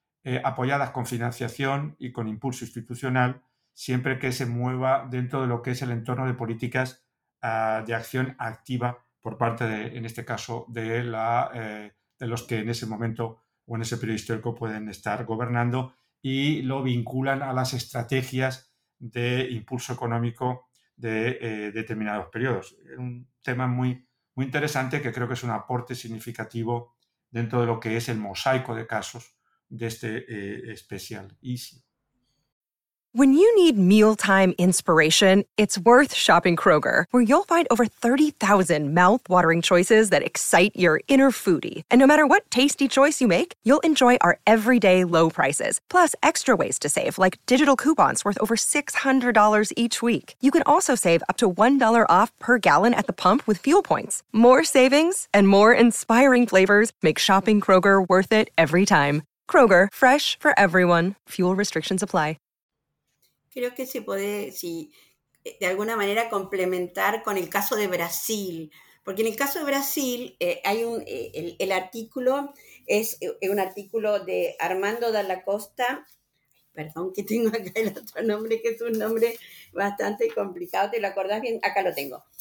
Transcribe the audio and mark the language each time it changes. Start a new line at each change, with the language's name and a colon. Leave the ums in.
Spanish: eh, apoyadas con financiación y con impulso institucional, siempre que se mueva dentro de lo que es el entorno de políticas uh, de acción activa por parte, de, en este caso, de, la, eh, de los que en ese momento o en ese periodo histórico pueden estar gobernando y lo vinculan a las estrategias de impulso económico de eh, determinados periodos. Un tema muy, muy interesante que creo que es un aporte significativo dentro de lo que es el mosaico de casos de este especial eh, ISI.
English: When you need mealtime inspiration, it's worth shopping Kroger, where you'll find over 30,000 mouth-watering choices that excite your inner foodie. And no matter what tasty choice you make, you'll enjoy our everyday low prices, plus extra ways to save, like digital coupons worth over $600 each week. You can also save up to $1 off per gallon at the pump with fuel points. More savings and more inspiring flavors make shopping Kroger worth it every time. Kroger, fresh for everyone. Fuel restrictions apply.
Spanish: creo que se puede, si de alguna manera complementar con el caso de Brasil, porque en el caso de Brasil eh, hay un, eh, el, el, artículo es eh, un artículo de Armando da la Costa, perdón que tengo acá el otro nombre, que es un nombre bastante complicado, ¿te lo acordás bien? Acá lo tengo.